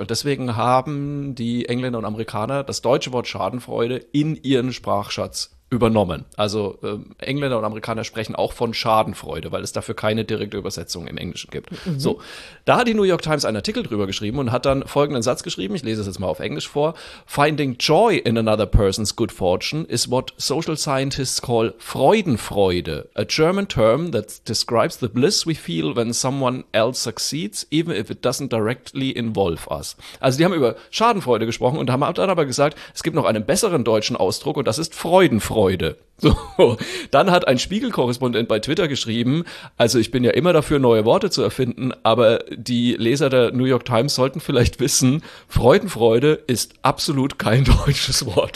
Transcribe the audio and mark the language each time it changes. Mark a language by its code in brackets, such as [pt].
[de] Und deswegen haben die Engländer und Amerikaner das deutsche Wort Schadenfreude in ihren Sprachschatz übernommen. Also Engländer und Amerikaner sprechen auch von Schadenfreude, weil es dafür keine direkte Übersetzung im Englischen gibt. Mhm. So, da hat die New York Times einen Artikel drüber geschrieben und hat dann folgenden Satz geschrieben, ich lese es jetzt mal auf Englisch vor. [en] Finding joy in another person's good fortune is what social scientists call Freudenfreude, a German term that describes the bliss we feel when someone else succeeds, even if it doesn't directly involve us. [de] Also die haben über Schadenfreude gesprochen und haben dann aber gesagt, es gibt noch einen besseren deutschen Ausdruck und das ist Freudenfreude. Freude. So. Dann hat ein Spiegel-Korrespondent bei Twitter geschrieben, also ich bin ja immer dafür, neue Worte zu erfinden, aber die Leser der New York Times sollten vielleicht wissen, Freudenfreude ist absolut kein deutsches Wort.